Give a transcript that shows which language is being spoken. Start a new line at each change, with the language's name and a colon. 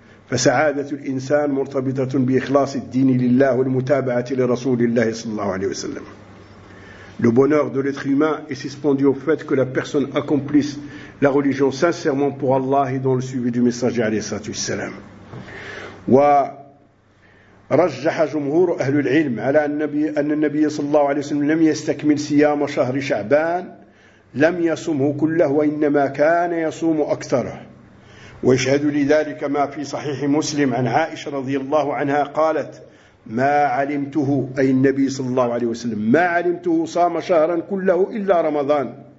Arabic: فسعادة الإنسان مرتبطة بإخلاص الدين لله والمتابعة لرسول الله صلى الله عليه وسلم.
French: Le bonheur de l'être humain est suspendu au fait que la personne accomplisse la religion sincèrement pour Allah et dans le suivi du messager
Arabic: عليه الصلاة والسلام. ورجح جمهور أهل العلم على النبي أن النبي صلى الله عليه وسلم لم يستكمل صيام شهر شعبان لم يصومه كله وإنما كان يصوم أكثره. ويشهد لذلك ما في صحيح مسلم عن عائشة رضي الله عنها قالت ما علمته أي النبي صلى الله عليه وسلم ما علمته صام شهرا كله إلا رمضان.